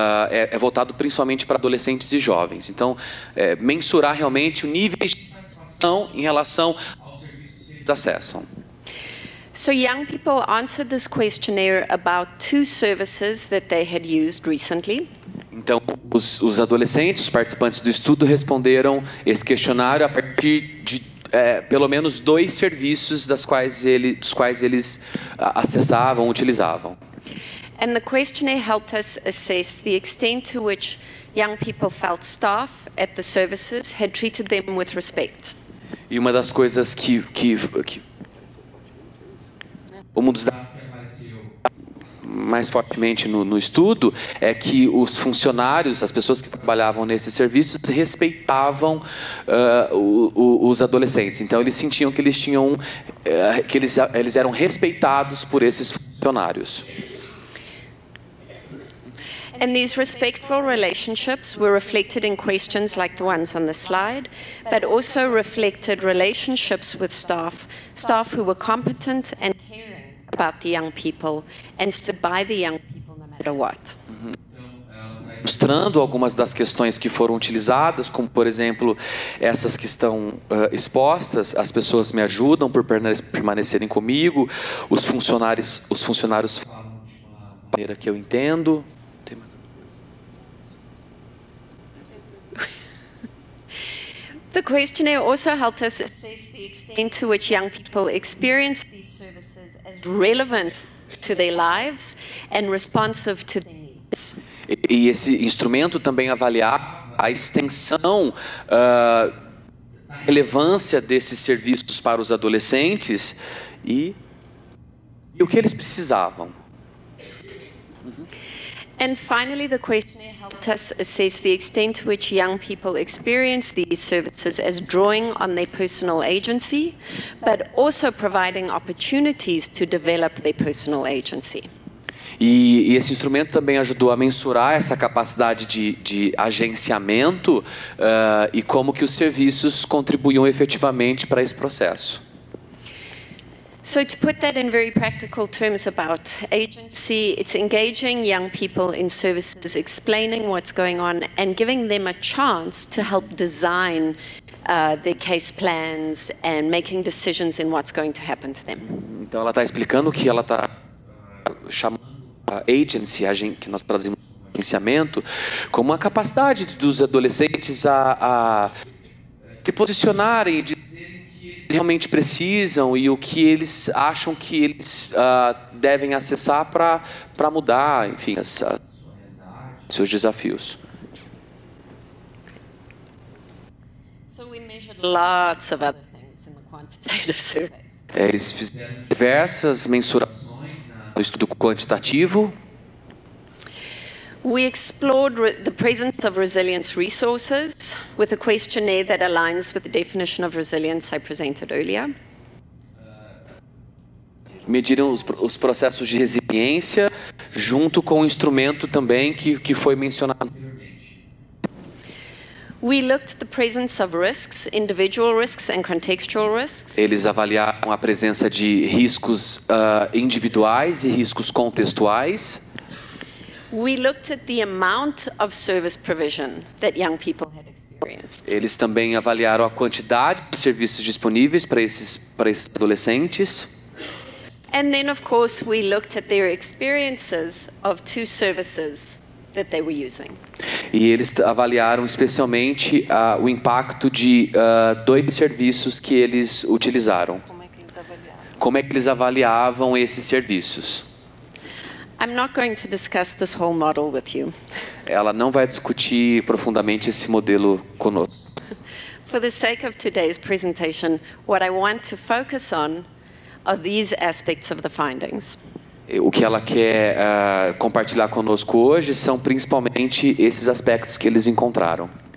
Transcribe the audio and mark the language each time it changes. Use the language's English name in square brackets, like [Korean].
[Portuguese] É voltado principalmente para adolescentes e jovens. Então, mensurar realmente o nível de satisfação em relação aos serviços que eles acessam. [English] So young people answered this questionnaire about 2 services that they had used recently. [Portuguese] Então, os adolescentes, os participantes do estudo, responderam esse questionário a partir de pelo menos 2 serviços dos quais eles acessavam, utilizavam. [English] And the questionnaire helped us assess the extent to which young people felt staff at the services had treated them with respect. [Portuguese] E uma das coisas que um dos dados que apareceu mais fortemente no estudo é que os funcionários, as pessoas que trabalhavam nesses serviços, respeitavam os adolescentes. Então, eles sentiam que eles tinham, que eles eram respeitados por esses funcionários. [English] And these respectful relationships were reflected in questions like the ones on the slide, but also reflected relationships with staff who were competent and caring about the young people and stood by the young people no matter what. [Portuguese] Mostrando algumas das questões que foram utilizadas, como, por exemplo, essas que estão expostas, as pessoas me ajudam por permanecerem comigo, os funcionários falam de maneira que eu entendo. [English] The questionnaire also helped us assess the extent to which young people experience these services as relevant to their lives and responsive to their needs. [Portuguese] E esse instrumento também avaliar a extensão, relevância desses serviços para os adolescentes e o que eles precisavam. [English] And finally, the questionnaire helped us assess the extent to which young people experience these services as drawing on their personal agency, but also providing opportunities to develop their personal agency. [Portuguese] E esse instrumento também ajudou a mensurar essa capacidade de agenciamento e como que os serviços contribuíam efetivamente para esse processo. [English] So to put that in very practical terms about agency, it's engaging young people in services, explaining what's going on, and giving them a chance to help design their case plans and making decisions in what's going to happen to them. [Portuguese] Então ela está explicando que ela está chamando agency, que nós traduzimos agenciamento, como a capacidade dos adolescentes a se posicionarem e realmente precisam e o que eles acham que eles devem acessar para mudar, enfim, seus desafios. [English] So we measured lots of other things in the quantitative survey. [Portuguese] Eles fizeram diversas mensurações no estudo quantitativo. [English] We explored the presence of resilience resources with a questionnaire that aligns with the definition of resilience I presented earlier. [Portuguese] Mediram os processos de resiliência junto com o instrumento também que foi mencionado. [English] We looked at the presence of risks, individual risks and contextual risks. [Portuguese] Eles avaliaram a presença de riscos individuais e riscos contextuais. [English] We looked at the amount of service provision that young people had experienced. [Portuguese] Eles também avaliaram a quantidade de serviços disponíveis para esses adolescentes. [English] And then, of course, we looked at their experiences of two services that they were using. [Portuguese] E eles avaliaram especialmente o impacto de dois serviços que eles utilizaram. Como é que eles avaliavam esses serviços? [English] I'm not going to discuss this whole model with you. [Portuguese] Ela não vai discutir profundamente esse modelo conosco. [English] For the sake of today's presentation, what I want to focus on are these aspects of the findings. [Portuguese] O que ela quer compartilhar conosco hoje são principalmente esses aspectos que eles encontraram.